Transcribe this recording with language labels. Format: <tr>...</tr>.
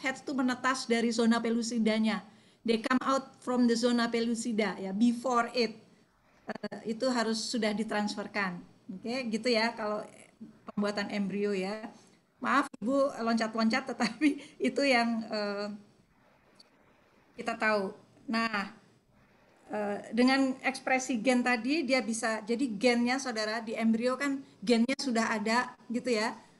<id>Hatch itu menetas dari zona pelusidanya.</id> <en>They come out from the zona pelusida ya, before it.</en> <id>Itu harus sudah ditransferkan. Oke, okay? Gitu ya kalau pembuatan embrio ya. Maaf Ibu loncat-loncat tetapi itu yang kita tahu. Nah, dengan ekspresi gen tadi dia bisa jadi gennya saudara di embrio kan gennya sudah ada gitu ya.</id>